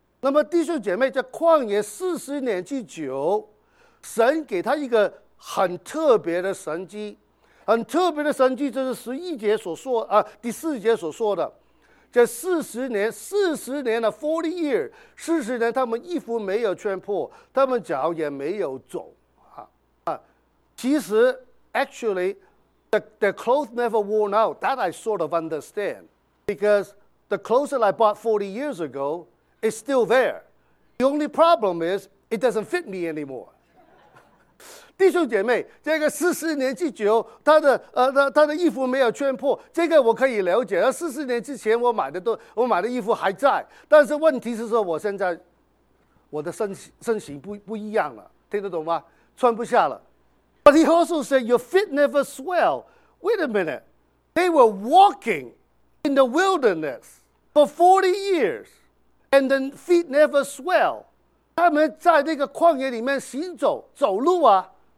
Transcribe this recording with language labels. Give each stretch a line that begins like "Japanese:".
Chinese: 那么弟兄姐妹，在旷野40年之久，神给他一个很特别的神迹，很特别的神迹，就是第四节所说的，这四十年的
English: forty year，
Chinese: 四十年，他们衣服没有穿破，他们脚也没有肿，其实
English: actually the clothes never worn out. That I sort of understand because the clothes that I bought 40 years ago is still there. The only problem is it doesn't fit me anymore.
Chinese: 弟兄姐妹，这个40年之久，他的衣服没有穿破，这个我可以了解。 40年之前我买的衣服还在，但是问题是说我现在我的身形不一样了，听得懂吗？穿不下了。
English: But he also said your feet never swell. Wait a minute, they were walking in the wilderness for 40 years, and then feet never swell.
Chinese: 他们在那个旷野里面行走走路啊。